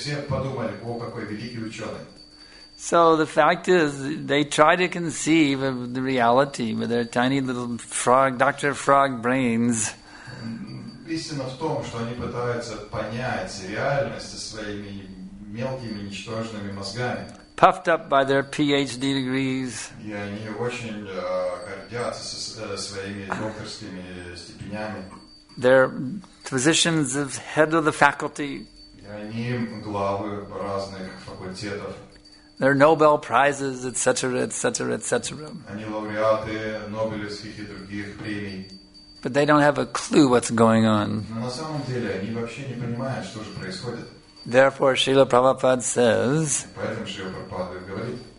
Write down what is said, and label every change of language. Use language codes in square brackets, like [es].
[ru] Все подумали, о, какой великий ученый. [en] So the fact is, they try to conceive of the reality with their tiny little frog, Dr. Frog brains. [ru] Истина в том, что они пытаются понять реальность своими мелкими ничтожными мозгами. [en] Puffed up by their PhD degrees. [ru] И они очень гордятся своими докторскими степенями. [en] Their positions of head of the faculty. [ru] И они главы разных факультетов. [en] There are Nobel Prizes, etc., etc., etc. [ru] Они лауреаты Нобелевских и других премий. [en] But they don't have a clue what's going on. [ru] Но на самом деле они вообще не понимают, что же происходит. [en] Therefore, Srila Prabhupada says. [ru] Поэтому Шрила Прабхупада говорит.